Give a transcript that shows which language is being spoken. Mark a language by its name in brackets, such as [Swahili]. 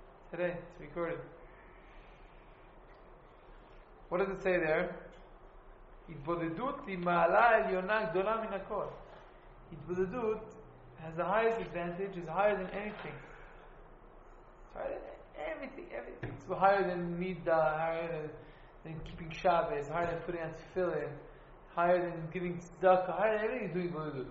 [English] today it's recorded what does it say there? [Hebrew] התבודדות היא מעלה עליונה גדולה מן הכל. [English] התבודדות has the highest advantage, is higher than anything. It's higher than everything, everything. It's higher than midah, higher than than keeping Shabbos, higher than putting on tefillin, higher than giving tzedakah, higher than everything doing b'lulud.